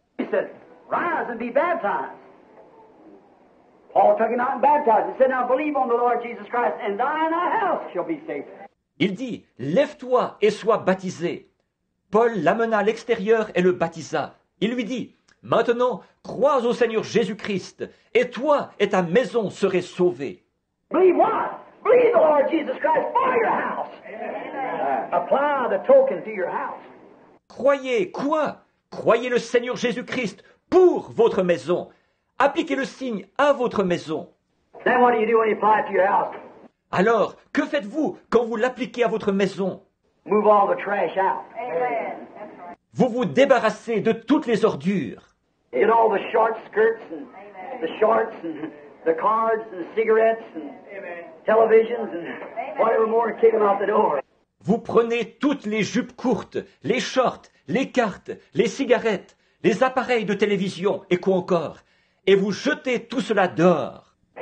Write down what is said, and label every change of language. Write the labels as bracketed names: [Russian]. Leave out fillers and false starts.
[English] He said, rise and be baptized. Paul took him out and baptized. He said, now believe on the Lord Jesus Christ and thine house shall be saved. [French] Il dit, lève-toi et sois baptisé. Paul l'amena à l'extérieur et le baptisa. Il lui dit, maintenant, crois au Seigneur Jésus-Christ et toi et ta maison serez sauvés. [English] Believe what? Believe the Lord Jesus Christ for your house. Apply the token to your house. [French] Croyez quoi? Croyez le Seigneur Jésus-Christ pour votre maison. Appliquez le signe à votre maison. [English] Then what do you do when you apply it to your house? [French] Alors, que faites-vous quand vous l'appliquez à votre maison? [English] Move all the trash out. Amen. [French] Vous vous débarrassez de toutes les ordures. [English] You know, the short skirts and the shorts and the cards and the cigarettes and televisions and whatever more to kick them out the door. [French] Vous prenez toutes les jupes courtes, les shorts, les cartes, les cigarettes, les appareils de télévision et quoi encore. Et vous jetez tout cela dehors.